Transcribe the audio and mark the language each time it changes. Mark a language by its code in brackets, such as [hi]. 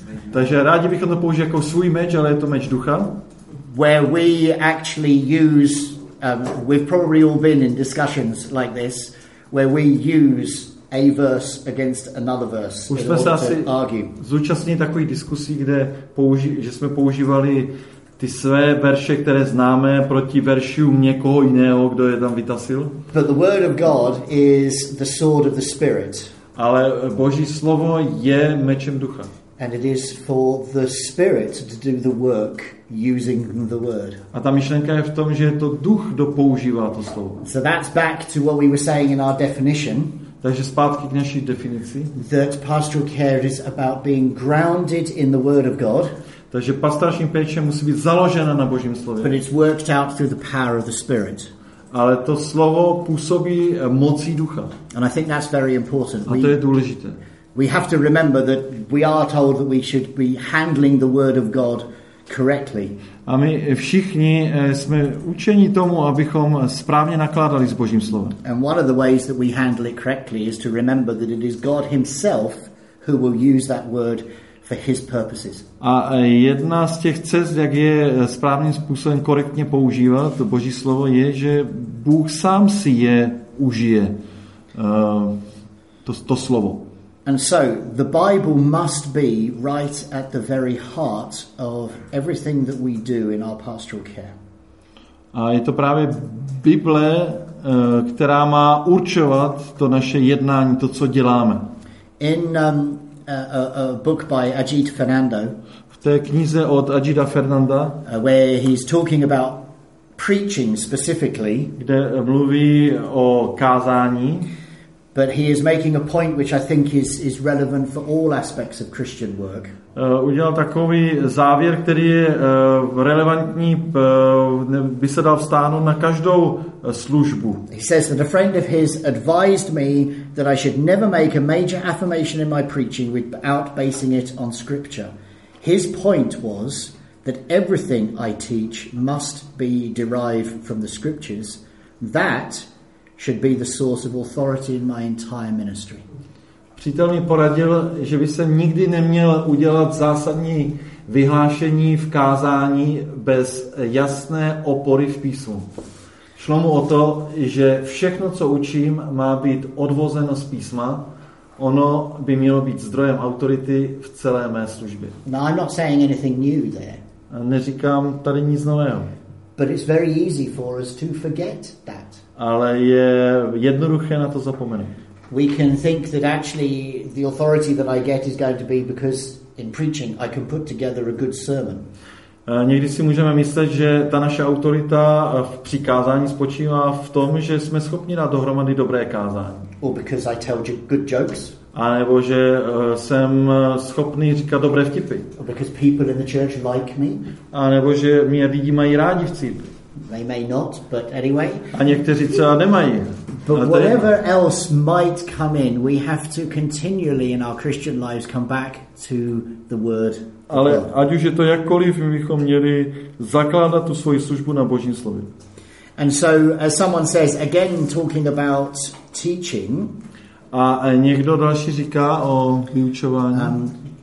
[cs] Takže rádi bychom to použili jako svůj meč, ale je to meč ducha. [en] Where we actually use, we've probably all been in discussions like this, where we use a verse against another verse. [cs] Už jsme se asi zúčastnili takových diskusí, kde že jsme používali ty své verše, které známe, proti veršům někoho jiného, kdo je tam vytasil. [en] But the word of God is the sword of the Spirit. [cs] Ale Boží slovo je mečem ducha. [en] And it is for the Spirit to do the work using the word. [cs] A ta myšlenka je v tom, že je to duch, kdo používá to slovo. [en] So that's back to what we were saying in our definition. [cs] Takže zpátky k naší definici. [en] That pastoral care is about being grounded in the word of God. [cs] Takže pastorační péče musí být založena na Božím slově. [en] But it's worked out through the power of the Spirit. [cs] Ale to slovo působí mocí ducha. [en] And I think that's very important. [cs] A to je důležité. [en] We have to remember that we are told that we should be handling the word of God correctly. [cs] A my všichni jsme učeni tomu, abychom správně nakládali s Božím slovem. [en] And one of the ways that we handle it correctly is to remember that it is God himself who will use that word for his purposes. [cs] A jedna z těch cest, jak je správným způsobem korektně používat to Boží slovo, je, že Bůh sám si je užije to slovo. [en] And so the Bible must be right at the very heart of everything that we do in our pastoral care. [cs] A je to právě Bible, která má určovat to naše jednání, to co děláme. [en] In a book by Ajit Fernando. [cs] V té knize od Ajita Fernanda, [en] where he's talking about preaching specifically, [cs] kde mluví o kázání. [en] But he is making a point which I think is relevant for all aspects of Christian work. [cs] Udělal takový závěr, který je relevantní, by se dal vstáhnout na každou službu. [en] He says that a friend of his advised me that I should never make a major affirmation in my preaching without basing it on scripture. His point was that everything I teach must be derived from the scriptures, that should be the source of authority in my entire ministry. [cs] Přítel mi poradil, že by se nikdy neměl udělat zásadní vyhlášení v kázání bez jasné opory v písmu. Šlo mu o to, že všechno, co učím, má být odvozeno z písma. Ono by mělo být zdrojem autority v celé mé službě. [en] No, I'm not saying anything new there. [cs] Neříkám tady nic nového. [en] But it's very easy for us to forget that. [cs] Ale je jednoduché na to zapomenout. [en] We can think that actually the authority that I get is going to be because in preaching I can put together a good sermon. [cs] Někdy si můžeme myslet, že ta naše autorita v přikázání spočívá v tom, že jsme schopni dát dohromady dobré kázání. [en] Or because I tell good jokes. [cs] A nebo že jsem schopný říkat dobré vtipy. [en] Or because people in the church like me. [cs] A nebo že mě lidi mají rádi v církvi. [en] They may not, but anyway. [cs] A někteří třeba nemají. [en] But whatever else might come in, we have to continually in our Christian lives come back to the word. [cs] Ale ať už je to jakkoliv, my bychom měli zakládat tu svoji službu na Božím slově. [en] And so, as someone says, again talking about teaching. [cs] A někdo další říká o vyučování.